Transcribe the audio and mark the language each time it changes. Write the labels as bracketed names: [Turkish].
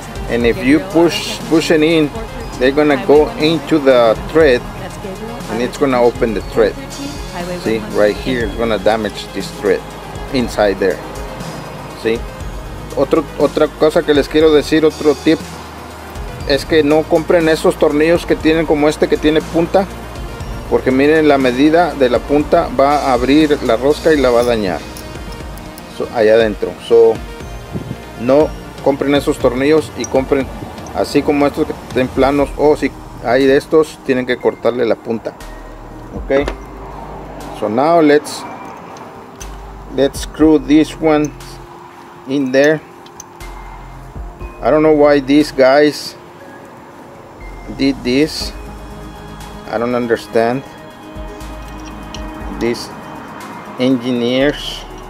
[English] And if you push it in, they're going to go into the thread, and it's going to open the thread. See, right here, it's going to damage this thread inside there. See? [Spanish] Otra cosa que les quiero decir, otro tip. Es que no compren esos tornillos que tienen como este que tiene punta, porque miren, la medida de la punta va a abrir la rosca y la va a dañar allá adentro. So, no compren esos tornillos, y compren así como estos que estén planos, o si hay de estos, tienen que cortarle la punta. [English] Ok, so now let's screw this one in there. I don't know why these guys did this. I don't understand these engineers.